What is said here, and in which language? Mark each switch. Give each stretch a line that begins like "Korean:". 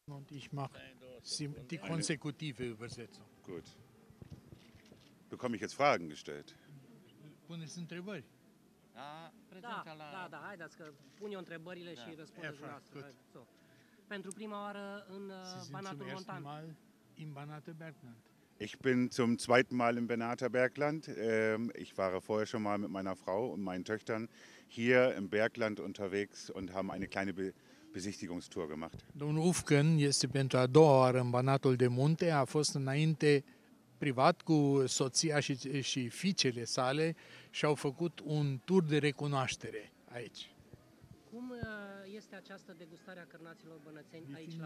German: Ich mache die konsekutive Übersetzung. Gut. Bekomme ich jetzt Fragen gestellt?
Romanian: Pune sunt întrebări. Da, prezentă la... Da, da, haideți că pune-o întrebările și răspundeți dumneavoastră. So. Pentru prima oară în Banatul Montan.
German: Zum ersten Mal im Banater Bergland. Ich bin zum zweiten Mal im Banater Bergland. Ich war vorher schon mal mit meiner Frau und meinen Töchtern hier im Bergland unterwegs und haben eine kleine Besichtigungstour gemacht.
Romanian: Domnul Ufken este pentru a doua oară în Banatul de Munte. A fost înainte privat cu soția și fiicele sale și au făcut un tur de recunoaștere aici. Cum este această degustare a cărnaților bănățeni aici la